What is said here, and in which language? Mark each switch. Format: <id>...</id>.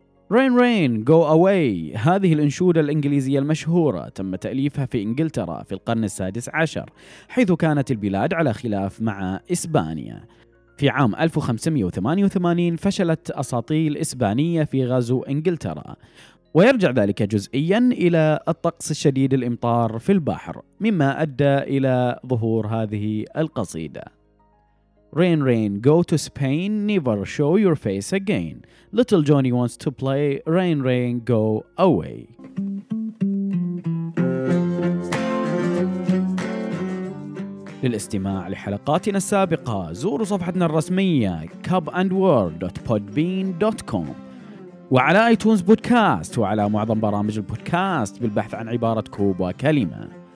<ar>Rain Rain Go Away، هذه الأنشودة الإنجليزية المشهورة تم تأليفها في إنجلترا في القرن السادس عشر، حيث كانت البلاد على خلاف مع إسبانيا. في عام 1588 فشلت أساطيل إسبانية في غزو إنجلترا، ويرجع ذلك جزئيا إلى الطقس الشديد الإمطار في البحر، مما أدى إلى ظهور هذه القصيدة.</ar> <en>Rain, rain, go to Spain, never show your face again. Little Johnny wants to play, rain, rain, go away.</en> <ar>للاستماع لحلقاتنا السابقة، زوروا صفحتنا الرسمية cubandworld.podbean.com وعلى iTunes Podcast وعلى معظم برامج البودكاست بالبحث عن عبارة كوب وكلمة.</ar>